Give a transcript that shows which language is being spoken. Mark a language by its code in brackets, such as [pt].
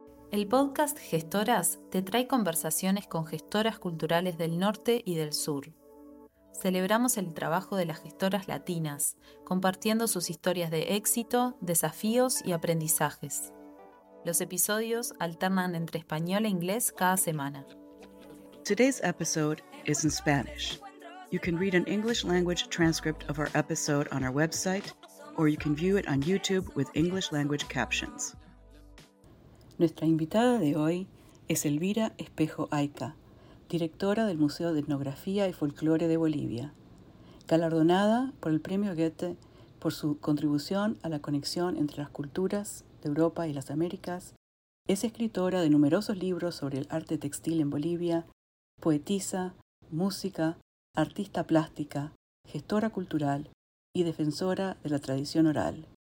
[es] El podcast Gestoras te trae conversaciones con gestoras culturales del norte y del sur. Celebramos el trabajo de las gestoras latinas, compartiendo sus historias de éxito, desafíos y aprendizajes. Los episodios alternan entre español e inglés cada semana. [en] Today's episode is in Spanish. You can read an English language transcript of our episode on our website, or you can view it on YouTube with English language captions. [es] Nuestra invitada de hoy es Elvira Espejo Ayca, directora del Museo de Etnografía y Folclore de Bolivia, galardonada por el Premio Goethe por su contribución a la conexión entre las culturas de Europa y las Américas, es escritora de numerosos libros sobre el arte textil en Bolivia, poetisa, música, artista plástica, gestora cultural y defensora de la tradición oral.